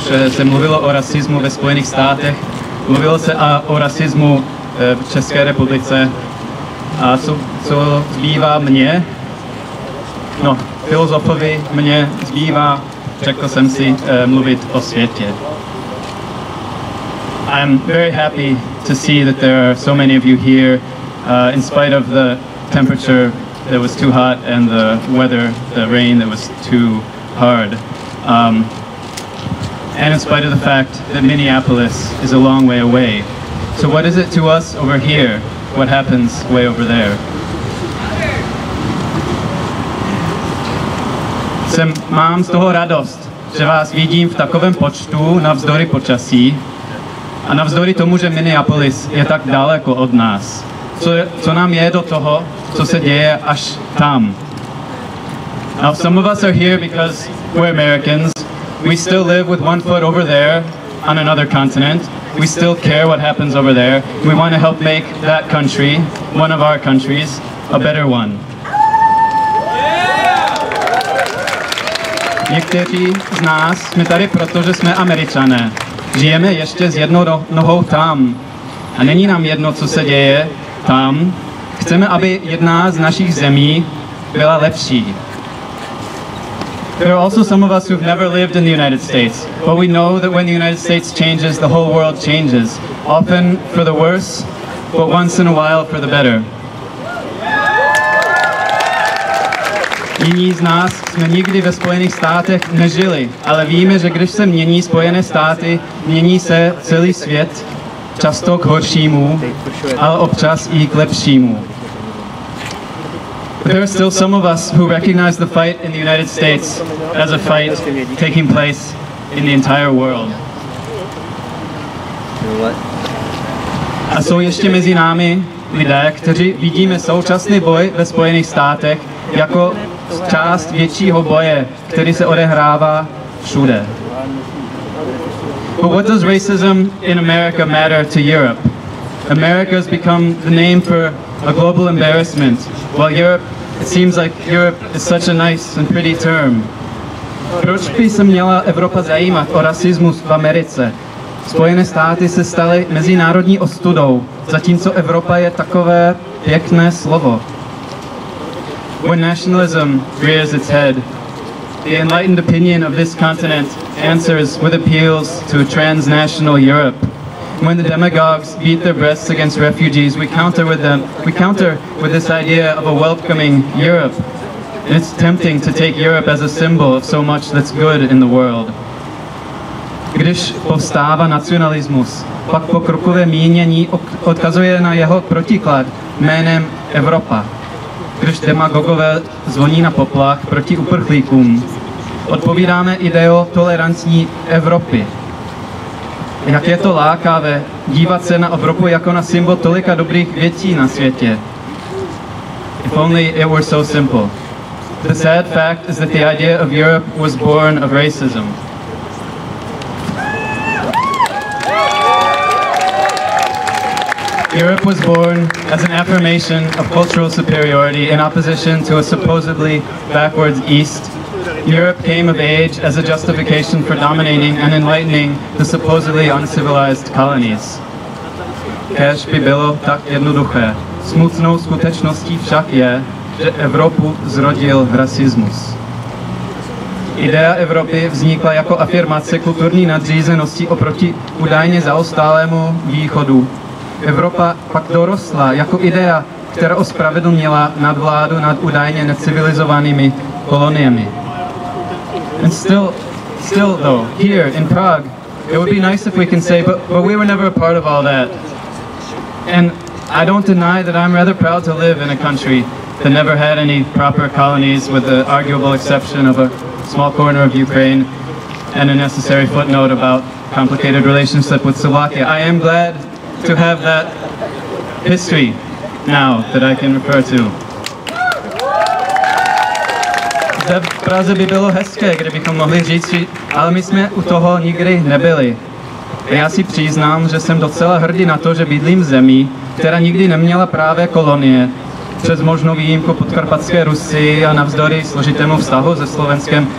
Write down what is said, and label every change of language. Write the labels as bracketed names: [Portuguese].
[Czech] Se mluvilo o rasismu ve Spojených státech, mluvilo se a o rasismu v České republice. A co zbývá mně? No, filozofovi mně zbývá, řekl jsem si, mluvit o světě. [English] I'm very happy to see that there are so many of you here, in spite of the temperature that was too hot and the weather, the rain that was too hard. And in spite of the fact that Minneapolis is a long way away. So what is it to us over here? What happens way over there? [Czech] Mám z toho radost, že vás vidím v takovém počtu navzdory počasí. A navzdory tomu, že Minneapolis je tak daleko od nás, co nám je do toho, co se děje až tam? [English] Now, some of us are here because we're Americans. We still live with one foot over there on another continent. We still care what happens over there. We want to help make that country, one of our countries, a better one. [Czech] Někteří z nás jsme tady proto, že jsme Američané. Žijeme ještě s jednou nohou tam. A není nám jedno, co se děje tam. Chceme, aby jedna z našich zemí byla lepší. [English] There are also some of us who've never lived in the United States, but we know that when the United States changes, the whole world changes. Often for the worse, but once in a while for the better. [Czech] Jiní z nás jsme nikdy ve Spojených státech nežili, ale víme, že když se mění Spojené státy, mění se celý svět, často k horšímu, ale občas i k lepšímu. [English] But there are still some of us who recognize the fight in the United States as a fight taking place in the entire world. [Czech] A jsou ještě mezi námi lidé, kteří vidíme současný boj ve Spojených státech jako část většího boje, který se odehrává všude. [English] But what does racism in America matter to Europe? America has become the name for a global embarrassment, while Europe, it seems like Europe is such a nice and pretty term. [Czech] Proč by se měla Evropa zajímat o rasismus v Americe? Spojené státy se staly mezinárodní ostudou, zatímco Evropa je takové pěkné slovo. [English] When nationalism rears its head, the enlightened opinion of this continent answers with appeals to a transnational Europe. When the demagogues beat their breasts against refugees, we counter with this idea of a welcoming Europe. And it's tempting to take Europe as a symbol of so much that's good in the world. [Czech] Když povstává nacionalismus, pak pokrokové mínění odkazuje na jeho protiklad jménem Evropa. Když demagogové zvoní na poplach proti uprchlíkům, odpovídáme ideou tolerantní Evropy. Jak je to lákavé dívat se na Evropu jako na symbol tolika dobrých věcí na světě. [English] If only it were so simple. The sad fact is that the idea of Europe was born of racism. Europe was born as an affirmation of cultural superiority in opposition to a supposedly backwards East. Europe came of age as a justification for dominating and enlightening the supposedly uncivilized colonies. [Czech] Kéž by bylo tak jednoduché. Smutnou skutečností však je, že Evropu zrodil rasismus. Idea Evropy vznikla jako afirmace kulturní nadřízenosti oproti údajně zaostálému východu. Evropa pak dorostla jako idea, která ospravedlnila nadvládu nad údajně necivilizovanými koloniemi. [English] And still though, here in Prague, it would be nice if we can say, but we were never a part of all that. And I don't deny that I'm rather proud to live in a country that never had any proper colonies, with the arguable exception of a small corner of Ukraine and a necessary footnote about complicated relationship with Slovakia. I am glad to have that history now that I can refer to. [Czech] V Praze by bylo hezké, kdybychom mohli říct, ale my jsme u toho nikdy nebyli. A já si přiznám, že jsem docela hrdý na to, že bydlím v zemí, která nikdy neměla právě kolonie, přes možnou výjimku podkarpatské Rusy a navzdory složitému vztahu se Slovenskem.